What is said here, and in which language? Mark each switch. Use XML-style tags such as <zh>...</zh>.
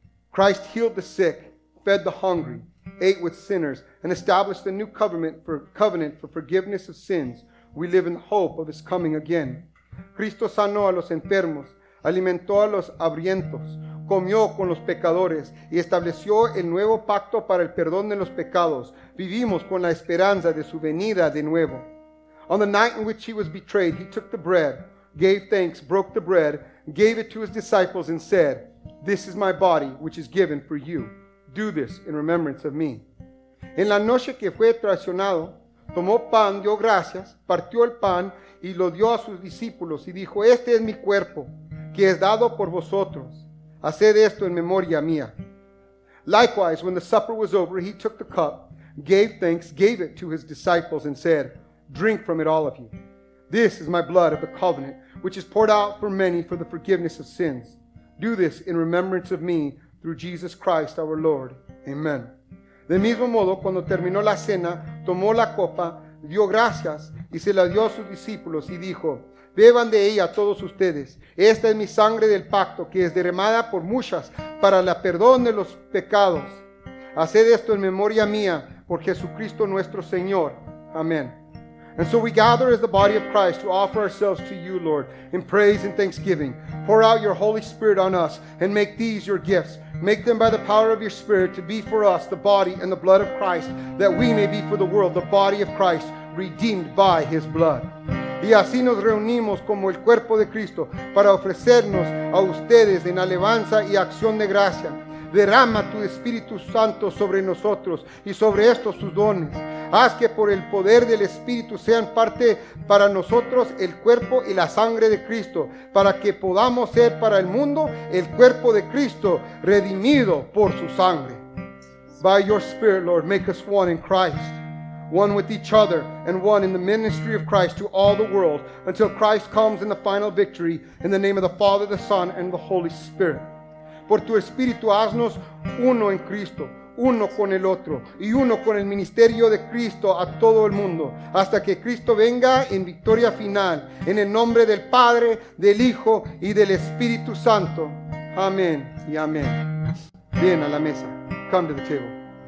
<en>Christ healed the sick, fed the hungry, ate with sinners, and established a new covenant for forgiveness of sins. We live in hope of his coming again.</en> <es>Cristo sanó a los enfermos, alimentó a los hambrientos, comió con los pecadores y estableció el nuevo pacto para el perdón de los pecados. Vivimos con la esperanza de su venida de nuevo.</es> <en>On the night in which he was betrayed, he took the bread, gave thanks, broke the bread, gave it to his disciples and said, "This is my body, which is given for you. Do this in remembrance of me."</en> <es>En la noche que fue traicionado, tomó pan, dio gracias, partió el pan y lo dio a sus discípulos y dijo, "Este es mi cuerpo, que es dado por vosotros. Haced esto en memoria mía."</es> <en>Likewise, when the supper was over, he took the cup, gave thanks, gave it to his disciples, and said, "Drink from it, all of you. This is my blood of the covenant, which is poured out for many for the forgiveness of sins. Do this in remembrance of me through Jesus Christ our Lord. Amen."</en> <es>De mismo modo, cuando terminó la cena, tomó la copa, dio gracias, y se la dio a sus discípulos, y dijo, "Beban de ella todos ustedes. Esta es mi sangre del pacto, que es derramada por muchas para el perdón de los pecados. Haced esto en memoria mía por Jesucristo nuestro Señor. Amén."</es> <en>And so we gather as the body of Christ to offer ourselves to you, Lord, in praise and thanksgiving. Pour out your Holy Spirit on us and make these your gifts. Make them by the power of your Spirit to be for us the body and the blood of Christ, that we may be for the world the body of Christ, redeemed by his blood.</en> <es>Y así nos reunimos como el cuerpo de Cristo para ofrecernos a ustedes en alabanza y acción de gracia. Derrama tu Espíritu Santo sobre nosotros y sobre estos sus dones. Haz que por el poder del Espíritu sean parte para nosotros el cuerpo y la sangre de Cristo, para que podamos ser para el mundo el cuerpo de Cristo redimido por su sangre.</es> <en>By your Spirit, Lord, make us one in Christ. One with each other and one in the ministry of Christ to all the world until Christ comes in the final victory in the name of the Father, the Son, and the Holy Spirit.</en> <es>Por tu Espíritu, haznos uno en Cristo, uno con el otro y uno con el ministerio de Cristo a todo el mundo hasta que Cristo venga en victoria final en el nombre del Padre, del Hijo y del Espíritu Santo. Amén y amén. Bien, a la mesa.</es> <en>Come to the table.</en>